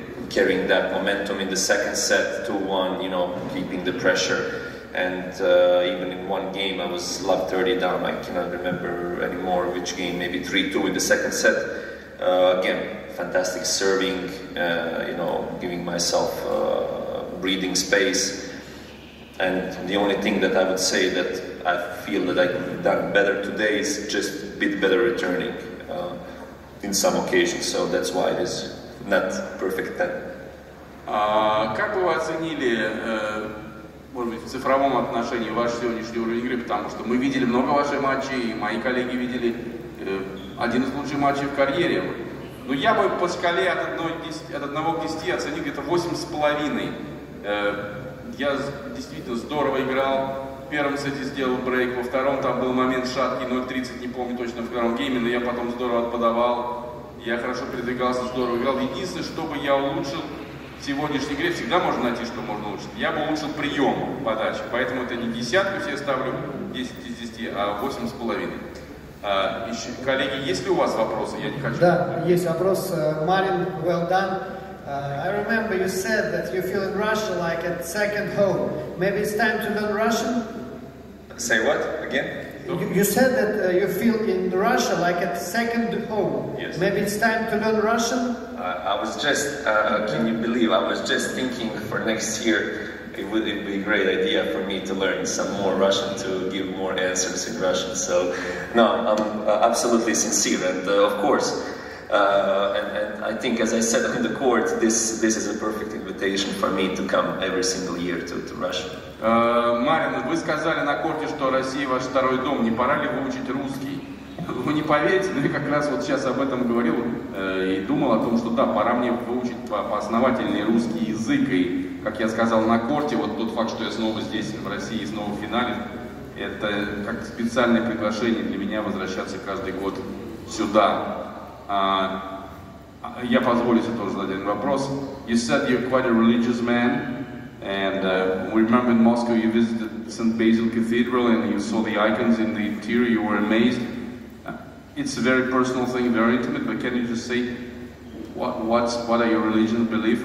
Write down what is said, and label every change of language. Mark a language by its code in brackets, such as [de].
[en] carrying that momentum in the second set, 2-1, you know, keeping the pressure, and even in one game I was love 30 down, I cannot remember anymore which game, maybe 3-2 in the second set, again, fantastic serving, you know, giving myself breathing space. And the only thing that I would say that I feel that I could have done better today is just a bit better returning in some occasions. So that's why it is not perfect 10. [ru] Как бы вы оценили, может быть, в цифровом отношении ваш сегодняшний уровень игры? Потому что мы видели много ваших матчей, и мои коллеги видели один из лучших матчей в карьере. Но я бы по шкале от 1 к 10 оценил где-то 8.5. Я действительно здорово играл. В первом сете сделал брейк, во втором там был момент шаткий, 0.30, не помню точно, в втором гейме, но я потом здорово отподавал. Я хорошо передвигался, здорово играл. Единственное, что бы я улучшил в сегодняшней игре, всегда можно найти, что можно улучшить. Я бы улучшил прием подачи. Поэтому это не десятку себе ставлю, 10 из 10, а 8.5. Еще, коллеги, есть ли у вас вопросы? Я не хочу. Да, есть вопрос. Марин, [en] well done. I remember you said that you feel in Russia like a second home. Maybe it's time to learn Russian? Say what? Again? You said that you feel in Russia like a second home. Yes. Maybe it's time to learn Russian? I was just, can you believe, I was just thinking for next year it would be a great idea for me to learn some more Russian, to give more answers in Russian. So, no, I'm absolutely sincere, and of course, and I think, as I said in the court, this is a perfect invitation for me to come every single year to Russia. [ru] Марин, вы сказали на корте, что Россия ваш второй дом. Не пора ли выучить русский? Вы не поверите, но я как раз вот сейчас об этом говорил и думал о том, что да, пора мне выучить по основательный русский язык. И как я сказал, на корте, вот тот факт, что я снова здесь, в России, снова в финале, это как специальное приглашение для меня возвращаться каждый год сюда. Я позволю себе тоже задать один вопрос. [en] You said you're quite a religious man, and we remember in Moscow you visited St. Basil Cathedral and you saw the icons in the interior, you were amazed. It's a very personal thing, very intimate, but can you just say what are your religious beliefs?